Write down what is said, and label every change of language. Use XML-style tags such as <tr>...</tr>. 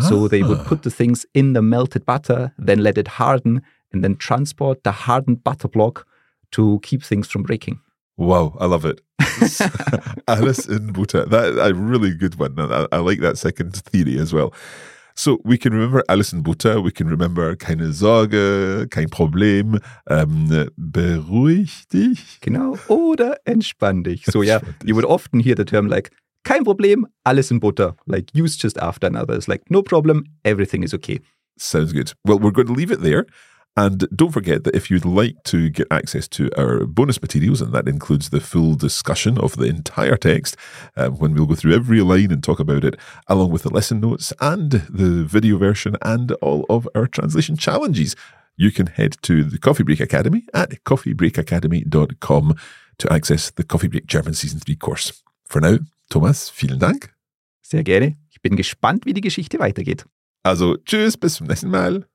<en>So they would put the things in the melted butter, then let it harden, and then transport the hardened butter block to keep things from breaking. Wow, I love it.</en> <de>Alles in Butter.</de> <en>That's a really good one. I like that second theory as well. So we can remember</en> <de>alles in Butter.</de> <en>We can remember</en> <de>keine Sorge, kein Problem, beruhig dich. Genau, oder entspann dich.</de> <en>So yeah, you would often hear the term like,</en> <de>kein Problem, alles in Butter.</de> <en>Like used just after another. It's like, no problem, everything is okay. Sounds good. Well, we're going to leave it there. And don't forget that if you'd like to get access to our bonus materials, and that includes the full discussion of the entire text, when we'll go through every line and talk about it, along with the lesson notes and the video version and all of our translation challenges, you can head to the Coffee Break Academy at coffeebreakacademy.com to access the Coffee Break German Season 3 course. For now, Thomas,</en> <de>vielen Dank. Sehr gerne. Ich bin gespannt, wie die Geschichte weitergeht. Also, tschüss, bis zum nächsten Mal.</de>